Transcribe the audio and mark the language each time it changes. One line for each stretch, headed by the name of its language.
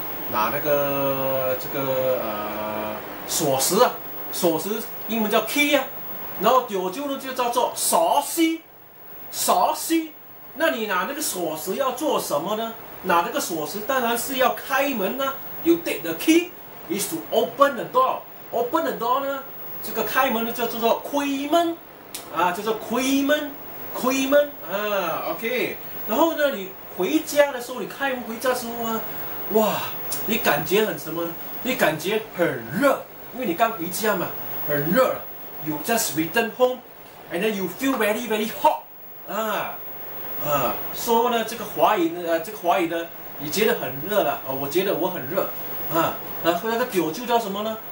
Chinese: 拿那个这个锁匙啊，锁匙英文叫 key 啊，然后九九呢就叫做锁匙，锁匙。那你拿那个锁匙要做什么呢？拿那个锁匙当然是要开门呢、啊。
English: You take the key is to open the door. Open the door
Chinese: 呢，这个开门呢就叫做开门啊，叫做开门，开门啊。 OK， 然后呢，你回家的时候，你开门回家的时候啊，哇，你感觉很什么？你感觉很热，因为你刚回家嘛，很热。
English: You just return home, and then you feel very very hot 啊。
Chinese: 说呢，这个华语呢，这个华语呢，你觉得很热了，我觉得我很热，然后那个酒就叫什么呢？